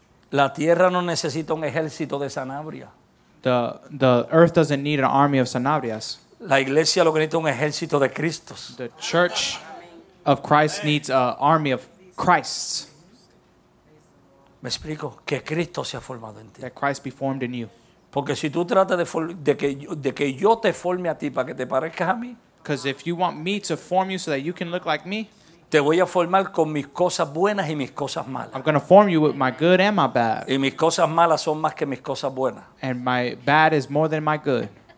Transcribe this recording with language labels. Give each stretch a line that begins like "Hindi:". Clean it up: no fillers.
Spanish: La tierra no necesita un ejército de zanahoria.
English: The earth doesn't need an army of zanahorias.
Spanish: La iglesia lo que necesita es un ejército de Cristos.
English: The church of Christ needs an army of Christ.
Spanish: ¿Me explico? Que Cristo sea formado en ti.
English: That Christ be formed in you.
Spanish: Porque si tú tratas de que yo te forme a ti para que te parezcas a mí,
English: because if you want me to form you so that you can look like me,
Spanish: te voy a formar con mis cosas buenas y mis cosas malas.
English: I'm going to form you with my good and my bad.
Spanish: Y mis cosas malas son más que mis cosas buenas.
English: And my bad is more than my good.